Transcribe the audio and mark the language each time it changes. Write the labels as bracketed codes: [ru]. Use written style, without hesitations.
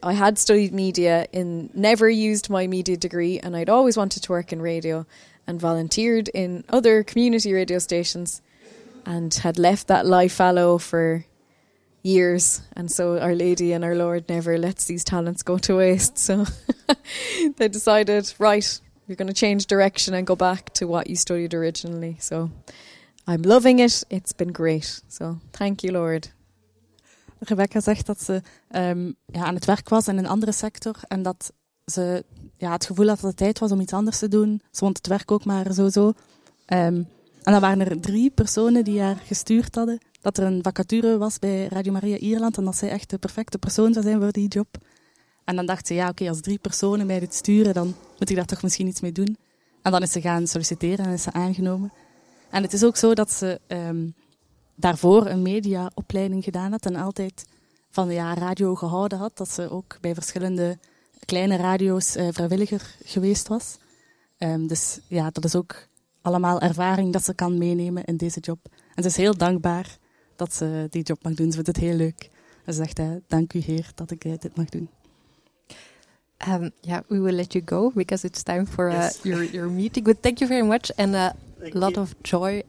[en] I had studied media and never used my media degree, and I'd always wanted to work in radio and volunteered in other community radio stations and had left that lie fallow for years, and so Our Lady and Our Lord never lets these talents go to waste. So they decided, right, you're going to change direction and go back to what you studied originally. So I'm loving it. It's been great. So thank you, Lord. [nl] Rebecca zegt dat ze aan het werk was in een andere sector en dat ze het gevoel had dat het tijd was om iets anders te doen. Ze vond het werk ook maar zo. En dan waren er drie personen die haar gestuurd hadden dat er een vacature was bij Radio Maria Ierland en dat zij echt de perfecte persoon zou zijn voor die job. En dan dacht ze, als drie personen mij dit sturen, dan moet ik daar toch misschien iets mee doen. En dan is ze gaan solliciteren en is ze aangenomen. En het is ook zo dat ze daarvoor een mediaopleiding gedaan had en altijd van radio gehouden had. Dat ze ook bij verschillende kleine radio's vrijwilliger geweest was. Dus dat is ook allemaal ervaring dat ze kan meenemen in deze job. En ze is heel dankbaar dat ze die job mag doen. Ze vindt het heel leuk. En ze zegt, dank u Heer dat ik dit mag doen. [en] We will let you go because it's time for your meeting. But thank you very much and a lot of joy.